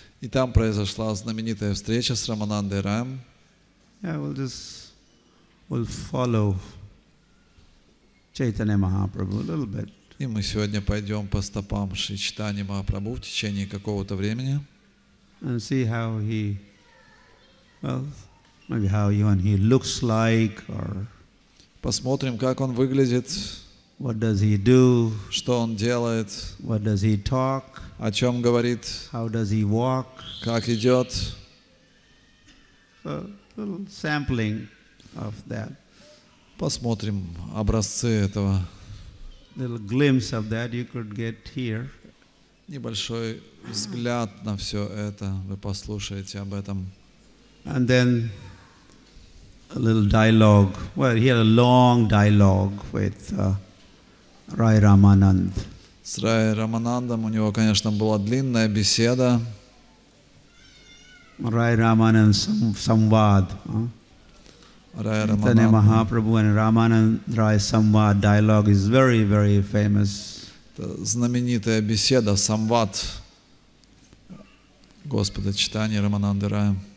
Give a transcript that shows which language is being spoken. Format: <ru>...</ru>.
<ru>И там произошла знаменитая встреча с Раманандой Раем.</ru> <en>Yeah, we'll follow Chaitanya Mahaprabhu a little bit.</en> <ru>И мы сегодня пойдем по стопам Шри Чайтаньи Махапрабху в течение какого-то времени.</ru> <en>And see how he, well, maybe how even he looks like, or.</en> <ru>Посмотрим, как он выглядит.</ru> <en>What does he do?</en> <ru>Что он делает?</ru> <en>What does he talk?</en> <ru>О чем говорит?</ru> <en>How does he walk?</en> <ru>Как идет?</ru> <en>A little sampling of that.</en> <ru>Посмотрим образцы этого.</ru> <en>Little glimpse of that you could get here.</en> <ru>Небольшой взгляд на все это, вы послушаете об этом.</ru> <en>And then a little dialogue. Well, he had a long dialogue with Rai Ramanand.</en> <ru>С Рай Раманандом у него, конечно, была длинная беседа.</ru> <en>Rai Ramanand samvad. Chaitanya Mahaprabhu and Ramanand Rai Samvad dialogue is very, very famous.</en> <ru>Знаменитая беседа самвад Господа Чайтаньи Рамананды Рая.</ru>